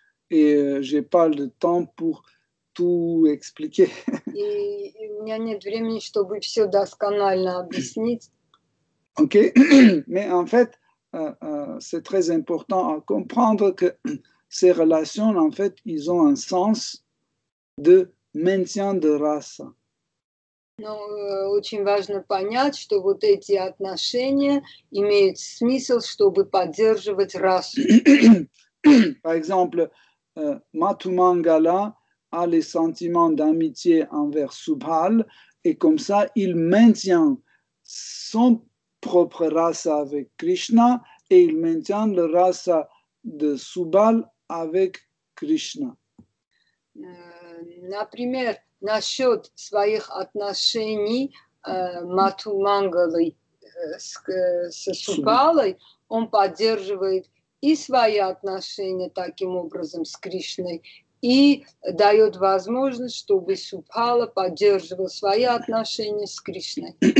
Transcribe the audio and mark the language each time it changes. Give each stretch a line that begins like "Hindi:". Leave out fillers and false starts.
Russian: И я
French: pas le temps pour tout expliquer.
Russian: И у меня нет времени, чтобы все досконально объяснить. Okay.
French: Mais en fait, c'est très important à comprendre que ces relations, en fait, ils ont un sens de maintien de race.
Russian: Но очень важно понять, что вот эти отношения имеют смысл, чтобы поддерживать расу.
French: Par exemple, Matumangala a les sentiments d'amitié envers Subhal, et comme ça, il maintient son propre race avec Krishna, et il maintient la race de Subhal avec Krishna.
Russian: Например, насчет своих отношений Матумангалы со Субхалой, он поддерживает и свои отношения таким образом с Кришной, и дает возможность, чтобы Субхала поддерживал свои отношения с Кришной.